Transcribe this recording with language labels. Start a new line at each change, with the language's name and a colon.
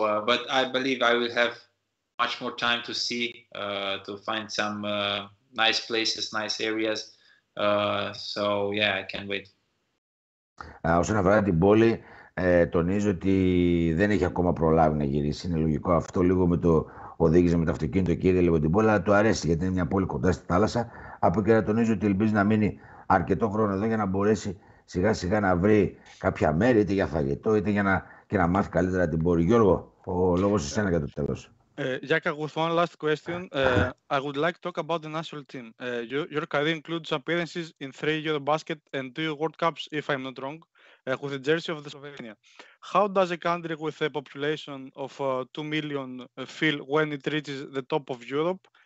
English: But I believe I will have much more time to see, to find some nice places, nice areas. So yeah, I can't wait.
Greek: Όσον αφορά την πόλη, τονίζω ότι δεν έχει ακόμα προλάβει να γυρίσει. Είναι λογικό αυτό, λίγο με το οδήγησε με το αυτοκίνητο και είδε λίγο την πόλη, αλλά το αρέσει γιατί είναι μια πόλη κοντά στη θάλασσα. Από εκεί τονίζω ότι ελπίζει να μείνει αρκετό χρόνο εδώ για να μπορέσει σιγά σιγά να βρει κάποια μέρη, είτε για φαγητό, είτε για να μάθει καλύτερα την πόλη. Γιώργο, ο λόγος σε σένα για το τέλος.
English: Γιάκα, with one last question. I would like to talk about the national team. Your career includes appearances in 3 Eurobasket and 2 World Cups, if I'm not wrong, with the jersey of the Slovenia. How does a country with a population of 2 million feel when it reaches the top of Europe?